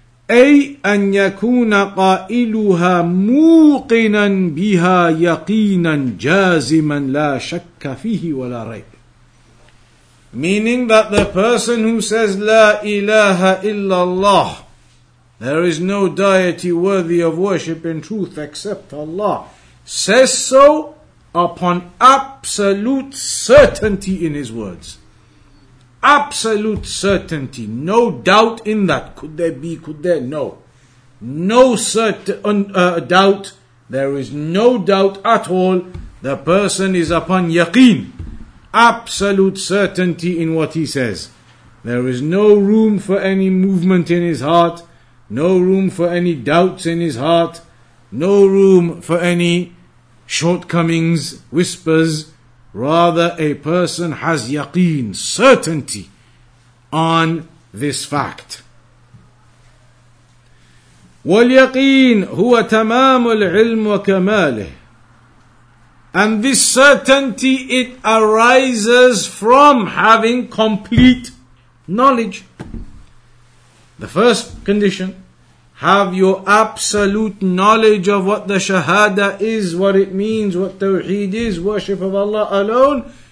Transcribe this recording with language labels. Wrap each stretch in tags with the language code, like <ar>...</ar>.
<ar>أي أن يكون قائلها موقنا بها يقينا جازما لا شك فيه ولا ريب.</ar> <en>Meaning that the person who says لا إله إلا الله, there is no deity worthy of worship in truth except Allah, says so upon absolute certainty in his words. Absolute certainty, no doubt in that. Could there be, could there? No. No doubt, there is no doubt at all. The person is upon yaqeen, absolute certainty in what he says. There is no room for any movement in his heart, no room for any doubts in his heart, no room for any shortcomings, whispers. Rather, a person has yaqeen, certainty, on this fact.</en> <ar>واليقين هو تمام العلم وكماله.</ar> <en>And this certainty, it arises from having complete knowledge. The first condition, have your absolute knowledge of what the Shahada is, what it means, what Tawheed is, worship of Allah alone.</en>